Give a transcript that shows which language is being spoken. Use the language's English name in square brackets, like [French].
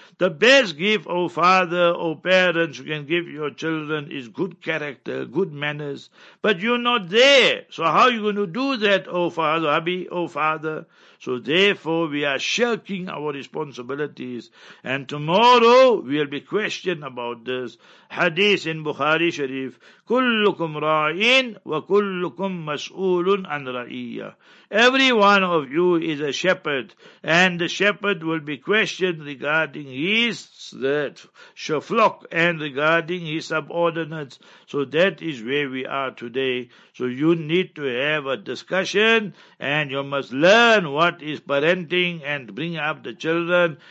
[English] The best gift, O father, O parents, you can give your children is good character, good manners. But you're not there, so how are you going to do that, O father, Habib, O father? So therefore, we are shirking our responsibilities, and tomorrow we'll be questioned about this hadith in Bukhari Sharif. [Arabic] كلكم راعين وكلكم مسؤول عن رعيه. [English] Every one of you is a shepherd, and the shepherd will be questioned regarding his flock and regarding his subordinates. So that is where we are today. So you need to have a discussion, and you must learn what is parenting and bring up the children.